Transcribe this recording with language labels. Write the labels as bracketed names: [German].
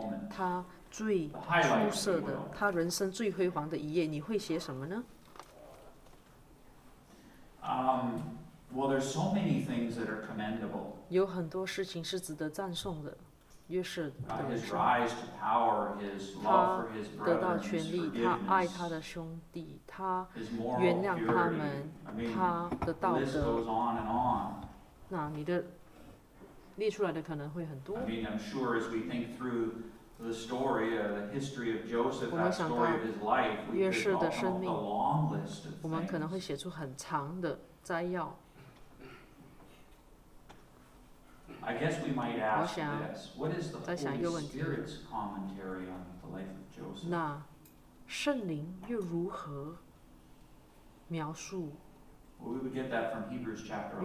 [Chinese] 他最出色的，他人生最辉煌的一页，你会写什么呢？ [English] Well, there's so many things that are commendable. [Chinese] 有很多事情是值得赞颂的，约瑟的。 [English] His rise to power, his love for his brothers, his forgiveness. [Chinese] 他得到权力，他爱他的兄弟，他原谅他们，他的道德。那你的列出来的可能会很多。 [English] I mean, I'm sure as we think through the story of the history of Joseph, that story of his life, we could call it a long list of things. [Chinese] 我们可能会写出很长的摘要。 [English] I guess we might ask this: What is the Holy Spirit's commentary on the life of Joseph? [Chinese] 那圣灵又如何描述？ [English] Well, we would get that from Hebrews chapter 11.